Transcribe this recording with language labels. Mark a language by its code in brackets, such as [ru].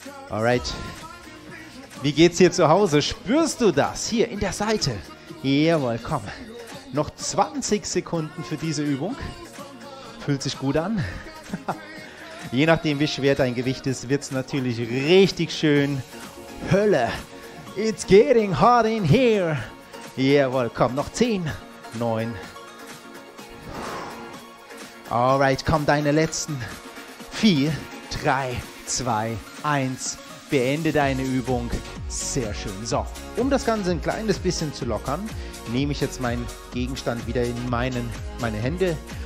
[de] Alright. Wie geht's hier zu Hause? Spürst du das? Hier in der Seite. Jawohl, komm. Noch 20 Sekunden für diese Übung. Fühlt sich gut an. Je nachdem, wie schwer dein Gewicht ist, wird es natürlich richtig schön. [en] Hölle, it's getting hot in here. [de] Jawohl, komm, noch 10, 9. Alright, komm, deine letzten. 4, 3, 2, 1. Beende deine Übung. Sehr schön. So, um das Ganze ein kleines bisschen zu lockern, nehme ich jetzt meinen Gegenstand wieder in meine Hände.